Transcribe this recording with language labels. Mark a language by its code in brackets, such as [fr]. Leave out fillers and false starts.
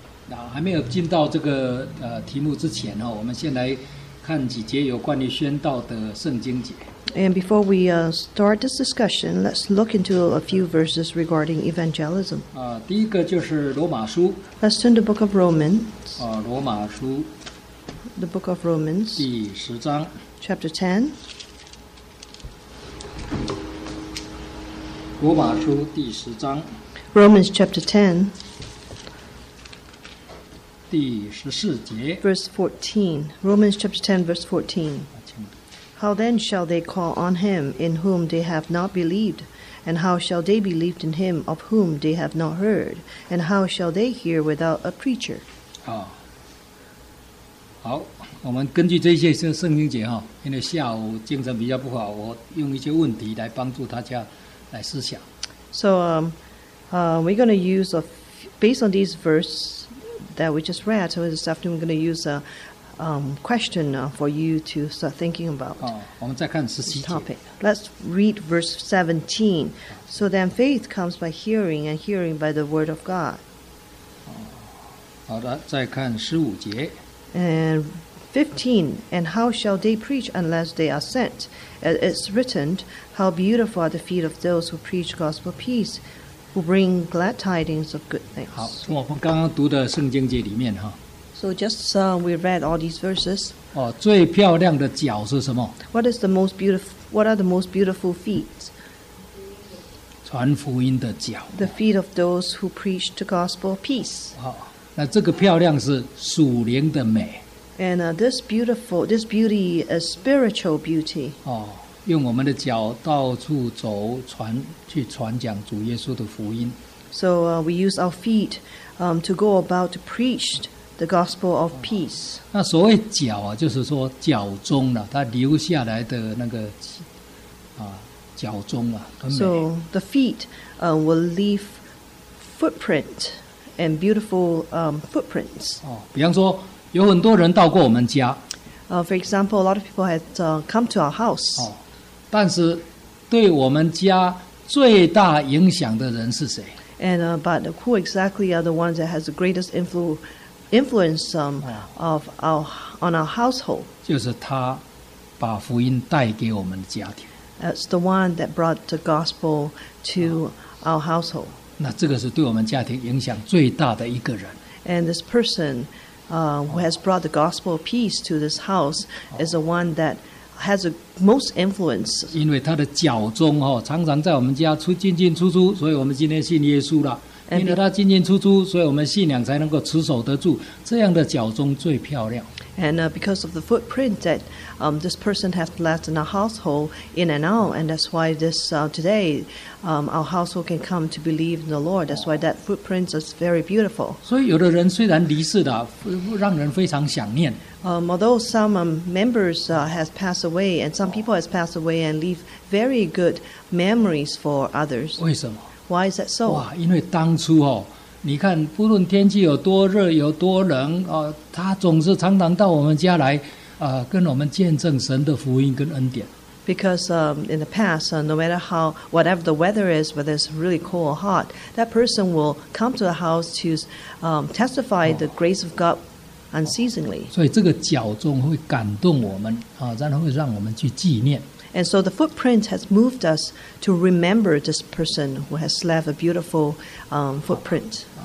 [zh] 那还没有进到这个题目之前哦，我们先来看几节有关于宣道的圣经节。 [en] And before we start this discussion, let's look into a few verses regarding evangelism. [zh] 第一个就是罗马书。 [en] Let's turn the book of Romans. [zh] 罗马书。 [en] The book of Romans. [zh] 第十章。 [en] Chapter 10. [zh] 罗马书第十章。 [en] Romans chapter 10. [zh] 第十四节。 [en] Verse 14. Romans chapter 10, verse 14. How then shall they call on him in whom they have not believed? And how shall they believe in him of whom they have not heard? And how shall they hear without a preacher? [zh] 好，我们根据这些圣经节，因为下午精神比较不好，我用一些问题来帮助大家来思想。 [en] So, we're going to use, based on these verses that we just read, so this afternoon we're going to use aquestion for you to start thinking about. [zh] 我们再看十七节。 [en] Topic. Let's read verse 17. So then faith comes by hearing, and hearing by the word of God. [zh] 好的，再看十五节。 [en] And 15. And how shall they preach unless they are sent? It's written, how beautiful are the feet of those who preach gospel peace, who bring glad tidings of good things. [zh] 好，从我们刚刚读的圣经节里面哈。 [en] So just we read all these verses. [zh] 最漂亮的脚是什么？ [en] What is the most beautiful? What are the most beautiful feet? [zh] 传福音的脚。 [en] The feet of those who preach the gospel of peace. [zh] 那这个漂亮是属灵的美。 [en] And this beauty is spiritual beauty. [zh] 用我们的脚到处走，去传讲主耶稣的福音。 [en] So we use our feet to go about to preach. The gospel of peace. [zh] 那所谓脚啊，就是说脚中了、啊，它留下来的那个脚中啊，很美。 [en] So the feet will leave footprint and beautiful footprints. [zh] 比方说有很多人到过我们家。 [en] For example, a lot of people had come to our house. [zh] 但是对我们家最大影响的人是谁 [en] ？And but who exactly are the ones that has the greatest influence some of our on our household. [zh] 就是他把福音带给我们的家庭。 [en] It's the one that brought the gospel to our household. [zh] 那这个是对我们家庭影响最大的一个人。 [en] And this person, who has brought the gospel of peace to this house, is the one that has the most influence. [zh] 因为他的脚中哦，常常在我们家出进进出出，所以我们今天信耶稣了。因为他进进出出，所以我们信仰才能够持守得住。这样的脚中最漂亮。 [en] And because of the footprint that this person has left in our household in and out, and that's why this today our household can come to believe in the Lord. That's why that footprint is very beautiful. [zh] 所以有的人虽然离世了，让人非常想念。 [en] Although some members has passed away, and some people has passed away and leave very good memories for others. [zh] 为什么？ [en] Why is that so? [zh] 哇，因为当初哦，你看，不论天气有多热、有多冷啊、他总是常常到我们家来，跟我们见证神的福音跟恩典。 [en] Because in the past, no matter how whatever the weather is, whether it's really cold or hot, that person will come to the house to testify the grace of God unceasingly. [zh] 所以这个脚中会感动我们啊，然后会让我们去纪念。 [en] And so the footprint has moved us to remember this person who has left a beautiful footprint.